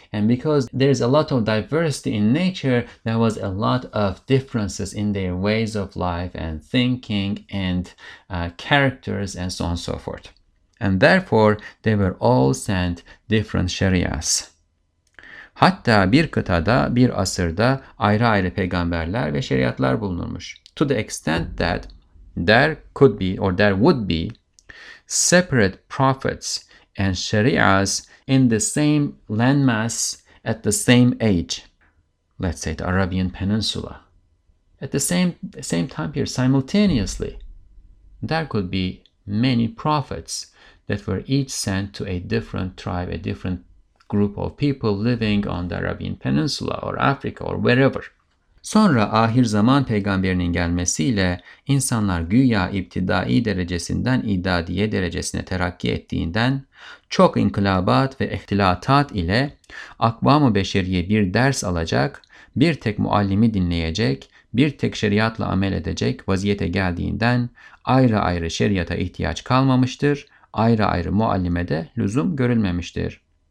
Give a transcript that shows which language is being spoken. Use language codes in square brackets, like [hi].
[en] And because there's a lot of diversity in nature, there was a lot of differences in their ways of life and thinking and characters and so on and so forth. And therefore, they were all sent different Sharia's. [tr] Hatta bir kıtada, bir asırda ayrı ayrı peygamberler ve şeriatlar bulunurmuş. [en] To the extent that there could be or there would be separate prophets and sharias in the same landmass at the same age. Let's say the Arabian Peninsula. At the same time here, simultaneously, there could be many prophets that were each sent to a different tribe, a different group of people living on the Arabian Peninsula or Africa or wherever. [tr] Sonra ahir zaman peygamberinin gelmesiyle insanlar güya iptidai derecesinden idadiye derecesine terakki ettiğinden çok inkılabat ve ihtilatat ile akvam-ı beşeriye bir ders alacak, bir tek muallimi dinleyecek, bir tek şeriatla amel edecek vaziyete geldiğinden ayrı ayrı şeriata ihtiyaç kalmamıştır, ayrı ayrı muallime de lüzum görülmemiştir.